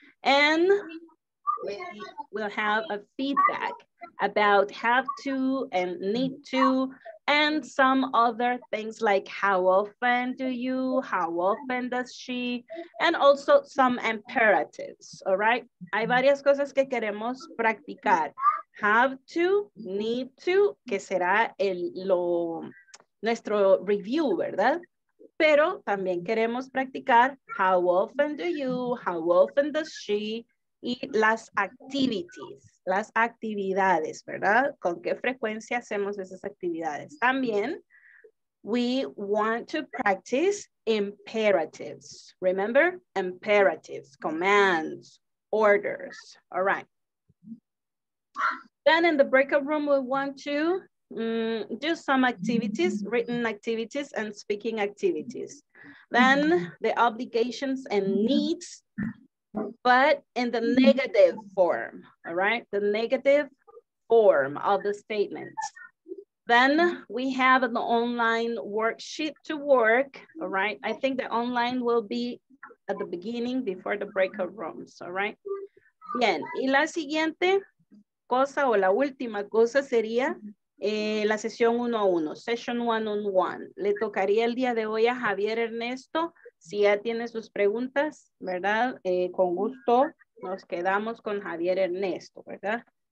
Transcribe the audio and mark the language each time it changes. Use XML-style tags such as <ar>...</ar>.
<en>And we will have a feedback about have to and need to and some other things like how often do you, how often does she, and also some imperatives, all right?</en> <es>Hay varias cosas que queremos practicar. Have to, need to, que será el, lo, nuestro review, ¿verdad? Pero también queremos practicar</es> <en>how often do you, how often does she,</en> <es>y las activities, las actividades, ¿verdad? ¿Con qué frecuencia hacemos esas actividades? También,</es> <en>we want to practice imperatives. Remember, imperatives, commands, orders. All right. Then in the breakout room, we want to do some activities, written activities and speaking activities. Then the obligations and needs, but in the negative form, all right? The negative form of the statement. Then we have an online worksheet to work, all right? I think the online will be at the beginning before the breakout rooms, all right?</en> <es>Bien, y la siguiente cosa o la última cosa sería la sesión 1-1,</es> <en>session 1-on-1.</en> <es>Le tocaría el día de hoy a Javier Ernesto. Si ya tiene sus preguntas, ¿verdad? Con gusto nos quedamos con Javier Ernesto, ¿verdad?</es>